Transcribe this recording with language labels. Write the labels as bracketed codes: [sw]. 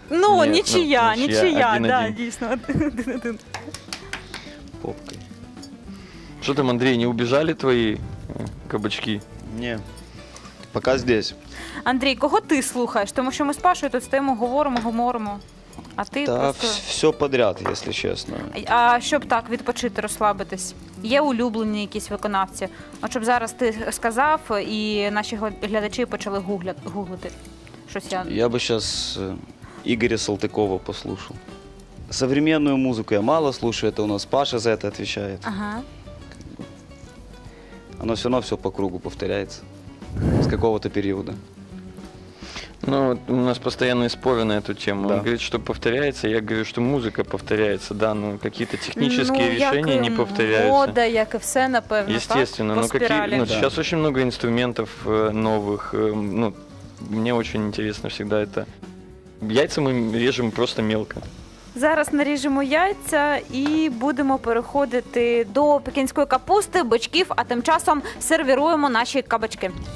[uk] Ну, нет, нічия, ну, нічия, да, дійсно. Попки. [ru] Что там, Андрей, не убежали твои кабачки? Не, пока здесь. [uk] Андрей, кого ти слухаєш? Тому що ми з Пашою тут стоїмо, говоримо. А ти та просто... все подряд, якщо чесно. А щоб так відпочити, розслабитись, є улюблені якісь виконавці? А щоб зараз ти сказав і наші глядачі почали гуглити щось? Я би зараз Ігоря Салтикова послухав. Современну музику я мало слухаю, це у нас Паша за це відповідає. Ага. [ru] Оно все равно все по кругу повторяется. С какого-то периода. Ну, у нас постоянные споры на эту тему. Да. Он говорит, что повторяется, я говорю, что музыка повторяется, да, но какие-то технические решения не повторяются. Ну, мода, как и все, напевно, естественно, так? Но какие, ну, да. Сейчас очень много инструментов новых. Ну, мне очень интересно всегда это. Яйца мы режем просто мелко. [uk] Зараз наріжемо яйця і будемо переходити до пекінської капусти, бочків, а тим часом сервіруємо наші кабачки.